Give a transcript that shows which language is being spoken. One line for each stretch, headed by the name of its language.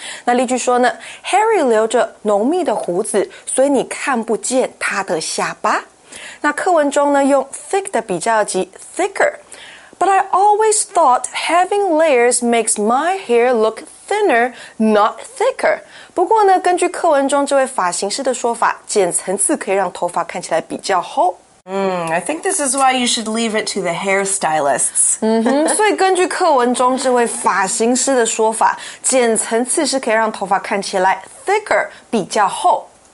Chinese: 那例句说呢 ，Harry 留着浓密的胡子，所以你看不见他的下巴。那课文中呢，用 thick 的比较级 thicker。
English: But I always thought having layers makes my hair look thinner, not thicker.
Chinese: 不过呢，根据课文中这位发型师的说法，剪层次可以让头发看起来比较厚。
English: I think this is why you should leave it to the hairstylists.
Chinese: 所以根据课文中这位发型师的说法，剪层次是可以让头发看起来 thicker, 比较厚。